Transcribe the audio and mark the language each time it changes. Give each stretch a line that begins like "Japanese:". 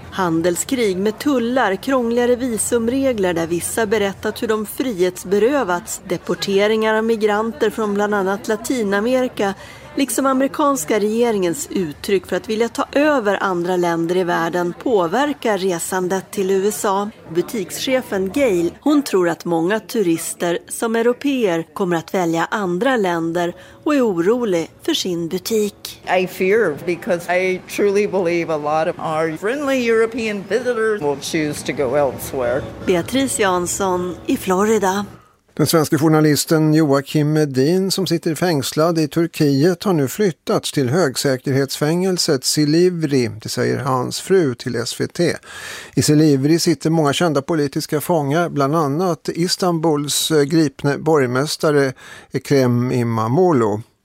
Swedish: Handelskrig med tullar, krångligare visumregler där vissa berättat hur de frihetsberövats, deporteringar av migranter från bland annat Latinamerika, liksom amerikanska regeringens uttryck för att vilja ta över andra länder i världen, påverkar resandet till USA. Butikschefen Gail, hon tror att många turister som europeer kommer att välja andra länder och är orolig för sin butik.
English: I fear because I truly believe a lot of our friendly European visitors will choose to go elsewhere.
Swedish: Beatrice Jansson i Florida. Den svenska journalisten Joakim Medin, som sitter fängslad i Turkiet, har nu flyttats till högsäkerhetsfängelset Silivri, det säger hans fru till SVT. I Silivri sitter många kända politiska fångar, bland annat Istanbuls gripne borgmästare Ekrem İmamoğlu.